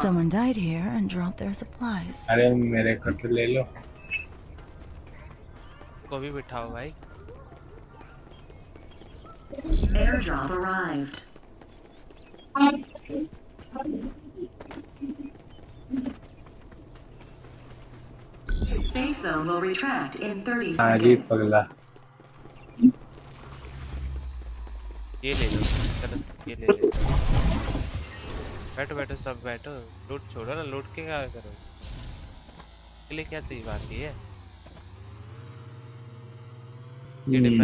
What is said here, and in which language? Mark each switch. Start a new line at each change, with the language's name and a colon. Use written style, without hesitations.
English: Someone died here and dropped their supplies.
Hindi: अरे मेरे कट्टे ले लो. को भी बिठाओ भाई.
English: Airdrop arrived. Safe zone will retract in 30 seconds.
Hindi: आगे पगला. ये ले लो चलो ये ले लो बैठो बैठो सब बैठो लूट छोड़ो ना लूट के क्या करो इसलिए क्या चाहिए बात ये